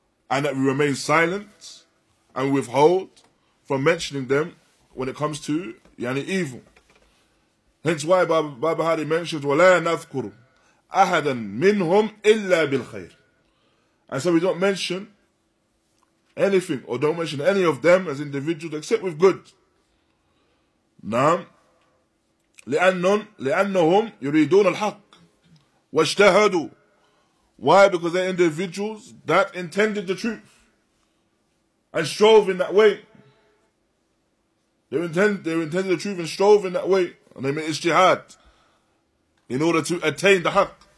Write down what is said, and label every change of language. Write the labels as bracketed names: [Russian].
[English] And that we remain silent and withhold from mentioning them when it comes to Yani evil. Hence why Barbahaaree mentions, [Arabic] وَلَا نَذْكُرُ أَحَدًا مِّنْهُمْ إِلَّا بِالْخَيْرِ. [English] And so we don't mention anything or don't mention any of them as individuals except with good. [Arabic] نعم لأنهم يريدون الحق واجتهدوا. [English] Why? Because they're individuals that intended the truth and strove in that way. They intended the truth and strove in that way. And they made ijtihad in order to attain the haqq.